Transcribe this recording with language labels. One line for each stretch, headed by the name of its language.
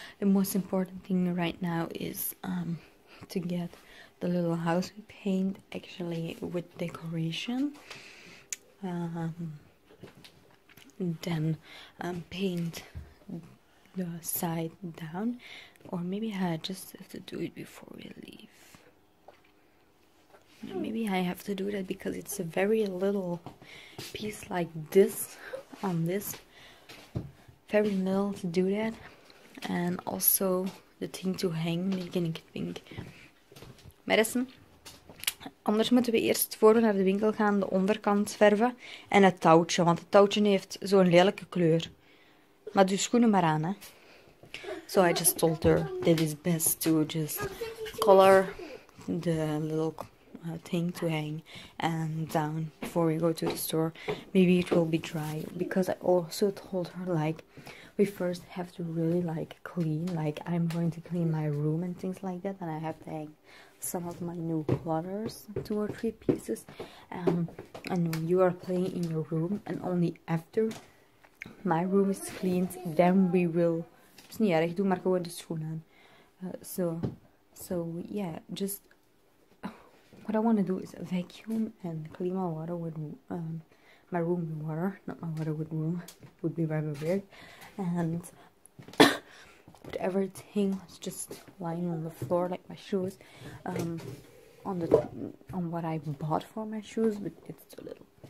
English: The most important thing right now is to get the little house we paint actually with decoration, then paint the side down, or maybe I just have to do it before we leave. Maybe I have to do that because it's a very little piece like this on this, very little to do that, and also the thing to hang, making it pink.
Dutch: Madison, anders moeten we eerst voor we naar de winkel gaan de onderkant verven en het touwtje, want het touwtje heeft zo'n lelijke kleur. Maar doe schoenen maar aan, hè.
English: So I just told her that it's best to just color the little thing to hang and down before we go to the store. Maybe it will be dry, because I also told her, like, we first have to really, like, clean. Like, I'm going to clean my room and things like that, and I have to hang some of my new clutters, two or three pieces. And when you are playing in your room, and only after my room is cleaned, then we will. It's not
Dutch: erg, doe maar gewoon de schoenen aan.
English: So yeah, just what I want to do is vacuum and clean my water with my room with water, not my water with room, would be very weird. And put everything just lying on the floor, like my shoes, on what I bought for my shoes, but it's too little.